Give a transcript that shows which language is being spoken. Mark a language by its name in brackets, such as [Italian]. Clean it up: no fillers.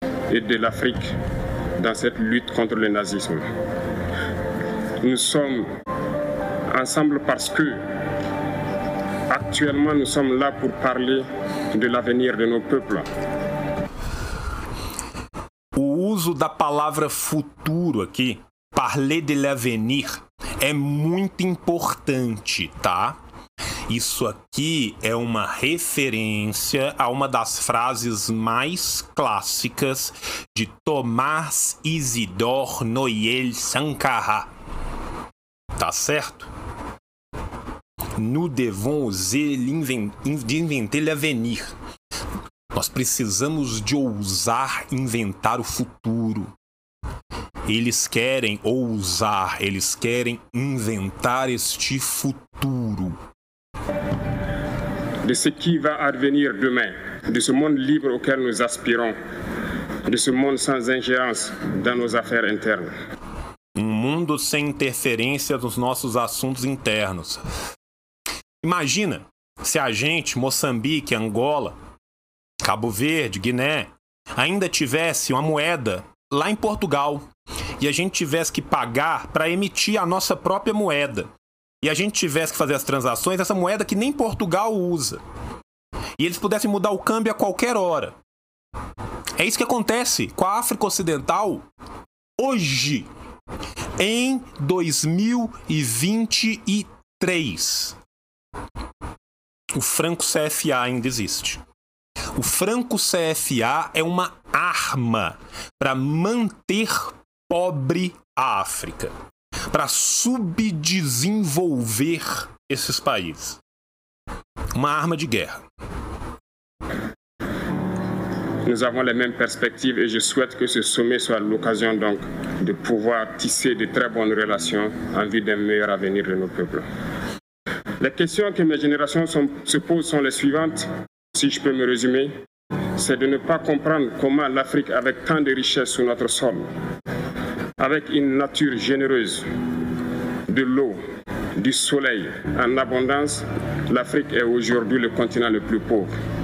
[French] E de l'Afrique dans cette lutte contre le nazisme. Nous sommes ensemble parce que actuellement nous sommes là pour parler de l'avenir de nos peuples. [Portuguese] O uso da palavra futuro aqui, [French] parler de l'avenir, [Portuguese] é muito importante, tá? Isso aqui é uma referência a uma das frases mais clássicas de Tomás Isidore Noël Sankara. Tá certo? [French] Nous devons oser inventer l'avenir. [Portuguese] Nós precisamos de ousar inventar o futuro. Eles querem ousar, eles querem inventar este futuro. [French] De ce qui va advenir demain, de ce monde libre auquel nous aspirons, de ce monde sans ingérence dans nos affaires internes. [Portuguese] Um mundo sem interferência nos nossos assuntos internos. Imagina se a gente, Moçambique, Angola, Cabo Verde, Guiné, ainda tivesse uma moeda lá em Portugal e a gente tivesse que pagar para emitir a nossa própria moeda. E a gente tivesse que fazer as transações, essa moeda que nem Portugal usa. E eles pudessem mudar o câmbio a qualquer hora. É isso que acontece com a África Ocidental hoje, em 2023. O franco CFA ainda existe. O franco CFA é uma arma para manter pobre a África, para subdesenvolver esses países. Uma arma de guerra. [French] Nous avons les mêmes perspectives et je souhaite que ce sommet soit l'occasion donc de pouvoir tisser de très bonnes relations en vue d'un meilleur avenir de nos peuples. Les questions que mes générations se posent sont les suivantes, si je peux me résumer, c'est de ne pas comprendre comment l'Afrique, avec tant de richesses sur notre sol, avec une nature généreuse, de l'eau, du soleil en abondance, l'Afrique est aujourd'hui le continent le plus pauvre.